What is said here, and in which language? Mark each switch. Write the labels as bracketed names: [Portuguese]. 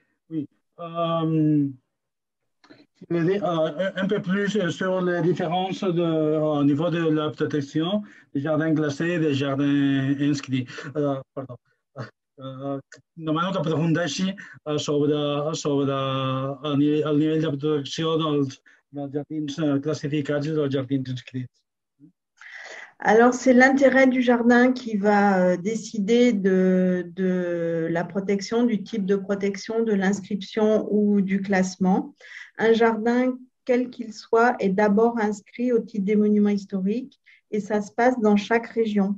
[French] Oui. Un peu plus sur les différences au niveau de la protection des jardins classés et des jardins inscrits. Pardon. [Catalan] Demano que profundeixi sobre el nivell de protecció dels jardins classificats i dels jardins inscrits. [French] Alors, c'est l'intérêt du jardin qui va décider de la protection, du type de protection, de l'inscription ou du classement. Un jardin, quel qu'il soit, est d'abord inscrit au titre des monuments historiques et ça se passe dans chaque région.